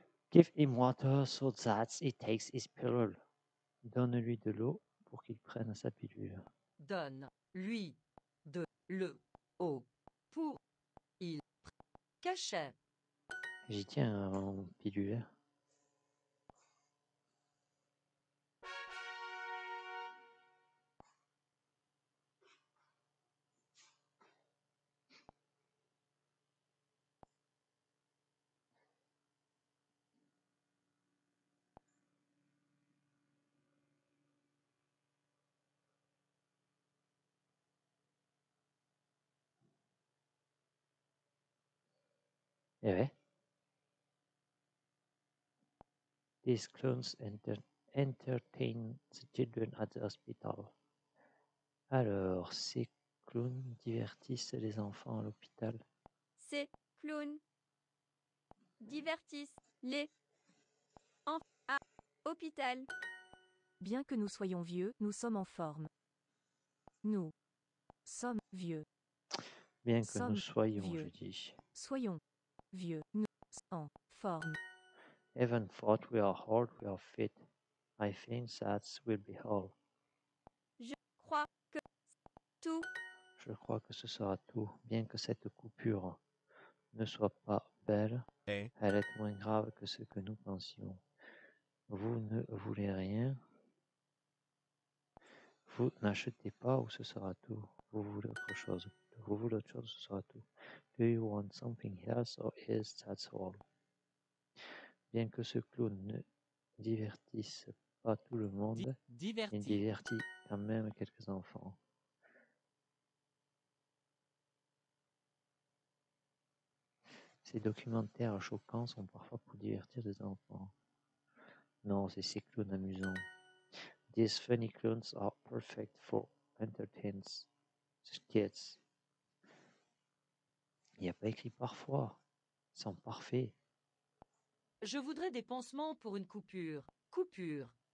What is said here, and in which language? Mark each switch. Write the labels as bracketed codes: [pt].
[en] Give him water so that he takes his pill. [fr] Donne-lui de l'eau pour qu'il prenne sa pilule. Donne-lui de l'eau pour qu'il prenne cachet. J'y tiens en pilule. Eh ouais. [en] These clowns entertain the children at the hospital. [fr] Alors, ces clowns divertissent les enfants à l'hôpital. Ces clowns divertissent les enfants à l'hôpital. Bien que nous soyons vieux, nous sommes en forme. Nous sommes vieux. Bien que sommes nous soyons, vieux. Je dis. Soyons. Vieux, nous, en forme. [en] Even thought we are old, we are fit. I think that will be all. [fr] Je crois que ce sera tout, bien que cette coupure ne soit pas belle, elle est moins grave que ce que nous pensions. Vous ne voulez rien? Vous n'achetez pas ou ce sera tout? Vous voulez autre chose? Vous voulez autre chose, ce sera tout. [en] Do you want something else or is that all? [fr] Bien que ce clown ne divertisse pas tout le monde, il divertit quand même quelques enfants. Ces documentaires choquants sont parfois pour divertir des enfants. Non, c'est ces clowns amusants. [en] These funny clowns are perfect for entertainment kids. [fr] Il n'y a pas écrit parfois. Ils sont parfaits. Je voudrais des pansements pour une coupure. Coupure.